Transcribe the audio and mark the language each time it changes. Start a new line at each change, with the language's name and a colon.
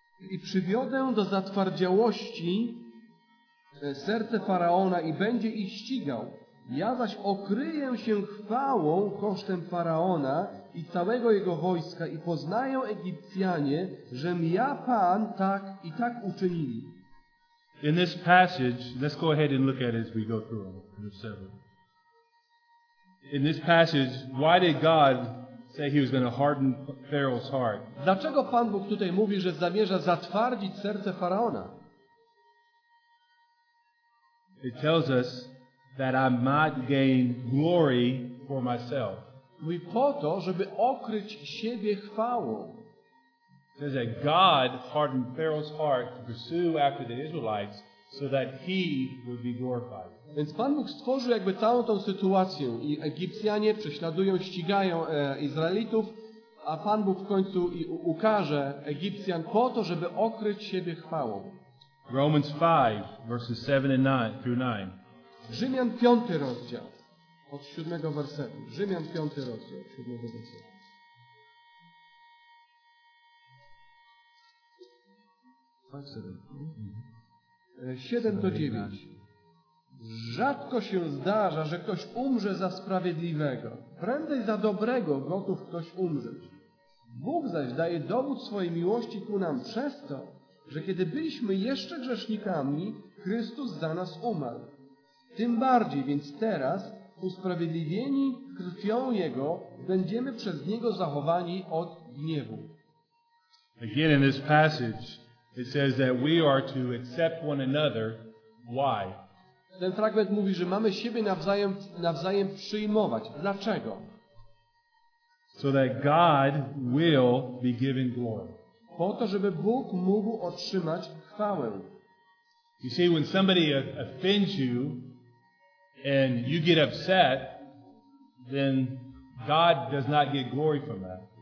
Polish: I przywiodę do zatwardziałości serce Faraona i będzie ich ścigał. Ja zaś okryję się chwałą kosztem Faraona i całego jego wojska i poznają Egipcjanie, żem ja Pan tak i tak uczynili.
English: In this passage, let's go ahead and look at it as we go through them. In this passage, why did God say he was going to harden Pharaoh's heart?
Polish: Dlaczego Pan Bóg tutaj mówi, że zamierza zatwardzić serce Faraona?
English: It tells us that I might gain glory for myself.
Polish: Mówi po to, żeby okryć siebie chwałą.
English: It says that God hardened Pharaoh's heart to pursue after the Israelites so that he would be glorified.
Polish: Więc Pan Bóg stworzył jakby całą tą sytuację i Egipcjanie prześladują, ścigają Izraelitów, a Pan Bóg w końcu ukaże Egipcjan po to, żeby okryć siebie chwałą.
English: Romans 5, verses 7 and 9 through 9.
Polish: Rzymian 5 rozdział od 7 wersetu. Rzymian 5 rozdział od 7 wersetu. Siedem do 9. Rzadko się zdarza, że ktoś umrze za sprawiedliwego. Prędzej za dobrego gotów ktoś umrzeć. Bóg zaś daje dowód swojej miłości ku nam przez to, że kiedy byliśmy jeszcze grzesznikami, Chrystus za nas umarł. Tym bardziej więc teraz, usprawiedliwieni krwią Jego, będziemy przez Niego zachowani od gniewu.
English: Again in this passage, it says that we are to accept one another. Why?
Polish: Ten fragment mówi, że mamy siebie nawzajem przyjmować. Dlaczego?
English: So that God will be given glory.
Polish: Po to, żeby Bóg mógł otrzymać chwałę.
English: You see, when somebody offends you and you get upset, then God does not get glory from that.